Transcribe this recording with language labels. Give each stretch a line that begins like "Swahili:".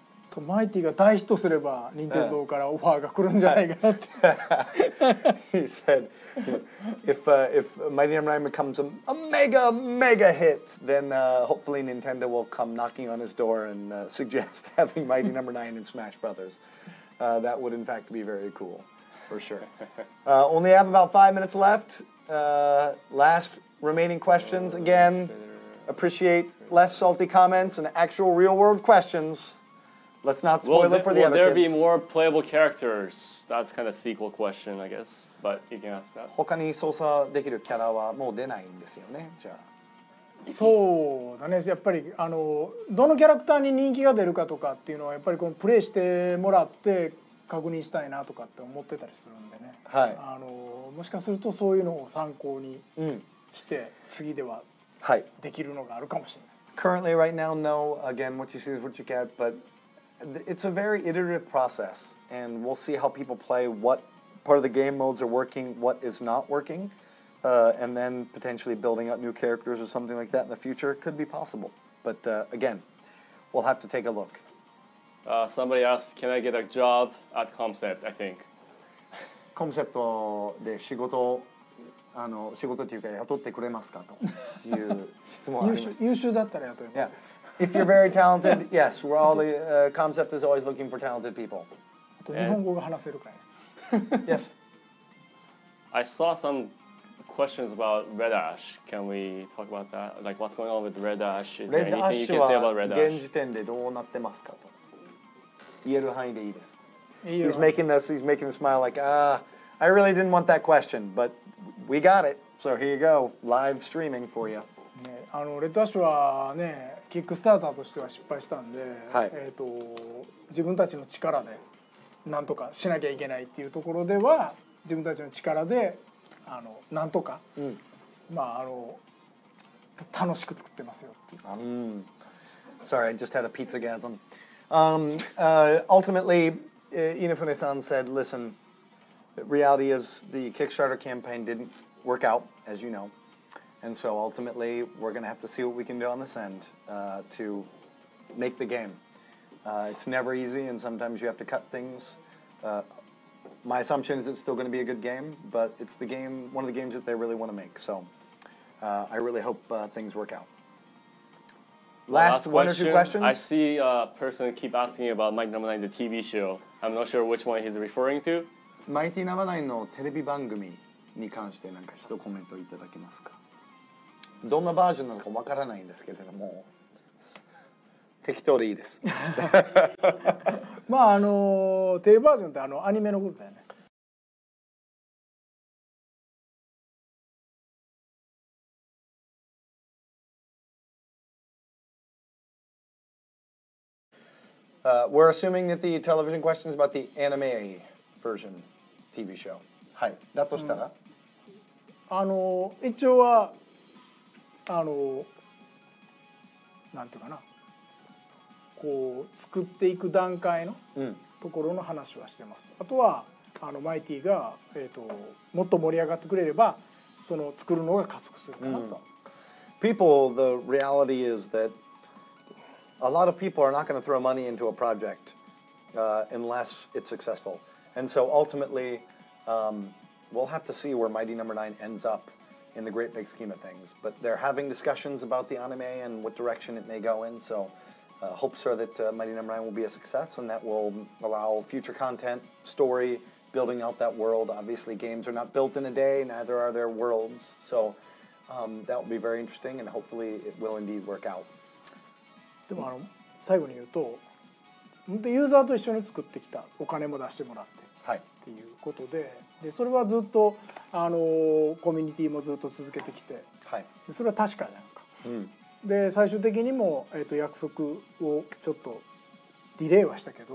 Japanese: とマイティが大ヒットすれば任天堂からオファーが来るんじゃないかなって。
English: He said, if Mighty No. 9 becomes a mega, mega hit, then hopefully Nintendo will come knocking on his door and suggest having Mighty No. 9 in Smash Brothers. That would, in fact, be very cool, for sure. Only have about 5 minutes left. Last remaining questions. Again, appreciate less salty comments and actual real-world questions. Let's not spoil it for the other kids. Will there be more playable characters? That's kind of a sequel question, I guess. But you can ask that.
Japanese: 他に操作できるキャラはもう出ないんですよね、じゃあ。そうだね、やっぱりあのどのキャラクターに人気が出るかとかっていうのはやっぱりこのプレイしてもらって確認したいなとかって思ってたりするんでね、はい、あのもしかするとそういうのを参考にして、うん、次ではできるのがあるかもしれない、はい、
English: Currently right now, no, again, what you see is what you get, but it's a very iterative process and we'll see how people play, what part of the game modes are working, what is not working. And then potentially building up new characters or something like that in the future could be possible. But again, we'll have to take a look. Somebody asked, can I get a job at Concept, I think.
Japanese: Concept で仕事を、あの、仕事というか雇ってくれますかという質問ありました。優秀だったら雇います。
English: If you're very talented, yes, we're all the, Concept is always looking for talented people.
Japanese: あと日本語が話せるかい
English: Yes. I saw some questions about Red Ash. Can we talk about that? Like, what's going on with Red Ash? Is Red there anything Ash you can say about Red Ash?
Japanese: 現時点でどうなってますかと。言える範囲でいいです。
English: He's making the smile like, ah, I really didn't want that question, but we got it. So here you go, live streaming for you.、
Japanese: ね、あのレッドアッシュはね、キックスターターとしては失敗したんで、はい、自分たちの力でなんとかしなきゃいけないっていうところでは、自分たちの力で、あの、なんとか、うん、まあ、あの、楽しく作ってますよっていう。
English: Mm. Sorry, I just had a pizza gasm. Ultimately, Inafune-san said, listen, reality is the Kickstarter campaign didn't work out, as you know. And so ultimately, we're going to have to see what we can do on this end to make the game. It's never easy, and sometimes you have to cut things. My assumption is it's still going to be a good game, but it's the game, one of the games that they really want to make. So I really hope things work out. Last one question, or two questions? I see a person keep asking about Mighty No. 9, the TV show. I'm not sure which one he's referring to. Mighty No.
Japanese: 9 のテレビ番組に関して何か一コメントいただけますか? どんなバージョンなのかわからないんですけれども、適当でいいです。まあ、あの、テレビバージョンってあのアニメのことだよね。
English: We're assuming that the television question is about the anime version TV show.
Japanese: はい。だとしたら、あの、一応は、あの、なんていうかな、こう作っていく段階のところの話はしてます。うん、あとは、あの、マイティが、もっと盛り上がってくれれば、その作るのが加速するかなと。うん、
English: People, the reality is that. A lot of people are not going to throw money into a project unless it's successful. And so ultimately, we'll have to see where Mighty No. 9 ends up in the great big scheme of things. But they're having discussions about the anime and what direction it may go in. So hopes are that Mighty No. 9 will be a success and that will allow future content, story, building out that world. Obviously, games are not built in a day, neither are their worlds. So that will be very interesting and hopefully it will indeed work out.
Japanese: でもあの最後に言うと、本当ユーザーと一緒に作ってきた、お金も出してもらって、はい、っていうこと でそれはずっとあのコミュニティもずっと続けてきて、はい、でそれは確かじゃないか、うん、で最終的にも、約束をちょっとディレイはしたけど、